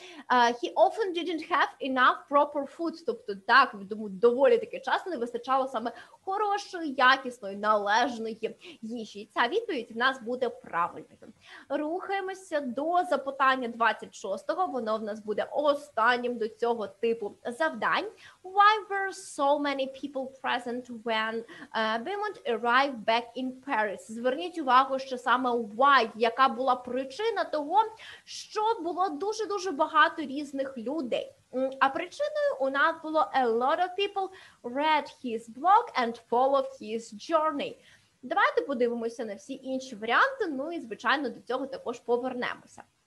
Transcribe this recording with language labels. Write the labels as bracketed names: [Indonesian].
[English] He often didn't have enough proper food, [Ukrainian] тобто так, думаю, доволі таки часто не вистачало саме хорошої, якісної, належної їжі. Ця відповідь в нас буде правильною. Рухаємося до запитання 26-го, воно в нас буде останнім до цього типу завдань. [English] Why were so many people present when Beaumont arrived back in Paris? [Ukrainian] Зверніть увагу, що саме why, яка була причина того, що було дуже-дуже багато різних людей. А причиною у нас було [English] a lot of people read his blog and followed his journey. [Ukrainian] Давайте подивимося на всі інші варіанти, ну і, звичайно, до цього також повернемося.